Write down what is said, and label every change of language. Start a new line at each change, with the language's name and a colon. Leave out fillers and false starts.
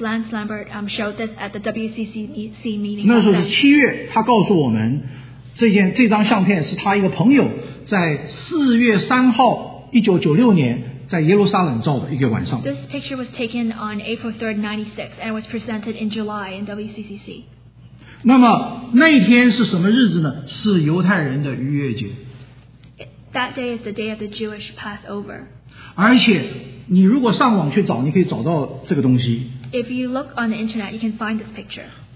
English: Lance Lambert showed this at the WCC meeting.
Chinese: 那时候是七月，他告诉我们，这张相片是他一个朋友在4月3号1996年在耶路撒冷照的一个晚上。
English: This picture was taken on April 3rd, 1996, and was presented in July in WCCC.
Chinese: 那么那天是什么日子呢？是犹太人的逾越节。
English: That day is the day of the Jewish Passover.
Chinese: 而且。你如果上网去找，你可以找到这个东西。
English: If you look on the internet, you can find this picture.